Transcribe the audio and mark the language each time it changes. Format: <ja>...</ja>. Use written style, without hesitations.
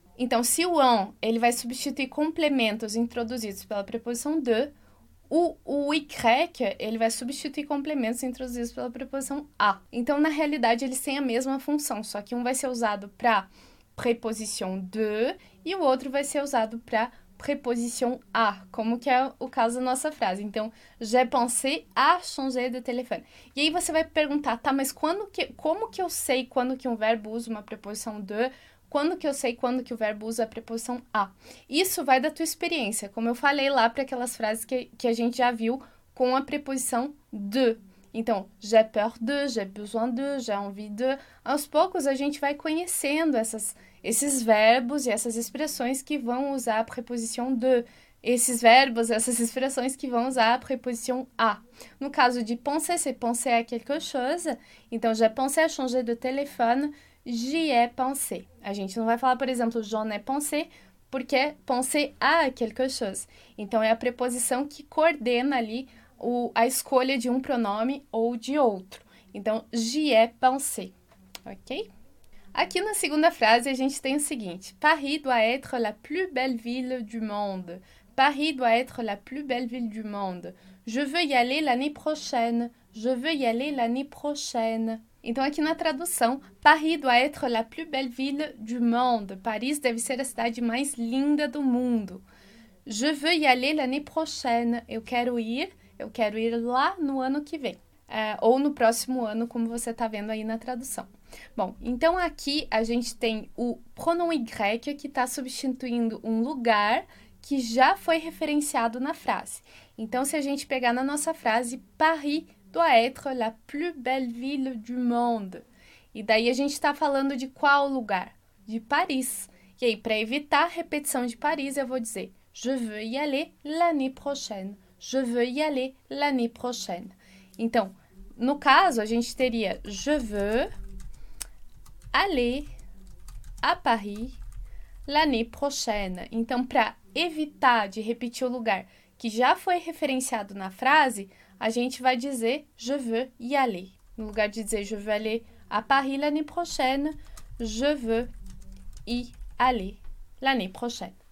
<pt>Então, se o on, ele vai substituir complementos introduzidos pela preposição de, o y, ele vai substituir complementos introduzidos pela preposição a. Então, na realidade, eles têm a mesma função, só que um vai ser usado para preposição de e o outro vai ser usado para preposição a, como que é o caso da nossa frase.</pt> <fr>Então, j'ai pensé à changer de téléphone.</fr> <pt>E aí você vai perguntar, tá, mas como que eu sei quando que um verbo usa uma preposição de? Quando que eu sei quando que o verbo usa a preposição a? Isso vai da tua experiência, como eu falei lá para aquelas frases que a gente já viu com a preposição de.</pt> <fr>Então, j'ai peur de, j'ai besoin de, j'ai envie de.</fr> <pt>Aos poucos a gente vai conhecendo esses verbos e essas expressões que vão usar a preposição de. Esses verbos, essas expressões que vão usar a preposição a. No caso de</pt> <fr>penser, c'est penser à quelque chose. Então, j'ai pensé à changer de téléphone. J'y ai pensé.</fr> <pt>A gente não vai falar, por exemplo,</pt> <fr>j'en ai pensé,</fr> <pt>porque é</pt> <fr>penser à quelque chose.</fr> <pt>Então, é a preposição que coordena ali a escolha de um pronome ou de outro. Então, j'y ai pensé. Ok? Aqui na segunda frase, a gente tem o seguinte:</pt> <fr>Paris doit être la plus belle ville du monde. Paris doit être la plus belle ville du monde. Je veux y aller l'année prochaine. Je veux y aller l'année prochaine.</fr> <pt>Então, aqui na tradução,</pt> <fr>Paris doit être la plus belle ville du monde.</fr> <pt>Paris deve ser a cidade mais linda do mundo.</pt> <fr>Je veux y aller l'année prochaine.</fr> <pt>Eu quero ir lá no ano que vem. Ou no próximo ano, como você está vendo aí na tradução. Bom, então aqui a gente tem o pronom Y que está substituindo um lugar que já foi referenciado na frase. Então, se a gente pegar na nossa frase,</pt> <fr>Paris doit être la plus belle ville du monde.</fr> <pt>E daí a gente está falando de qual lugar? De Paris. E aí, para evitar a repetição de Paris, eu vou dizer</pt> <fr>Je veux y aller l'année prochaine. Je veux y aller l'année prochaine.</fr> <pt>Então, no caso, a gente teria</pt> <fr>Je veux aller à Paris l'année prochaine.</fr> <pt>Então, para evitar de repetir o lugar que já foi referenciado na frase, a gente vai dizer</pt> <fr>je veux y aller.</fr> <pt>No lugar de dizer</pt> <fr>je veux aller à Paris l'année prochaine, je veux y aller l'année prochaine.</fr>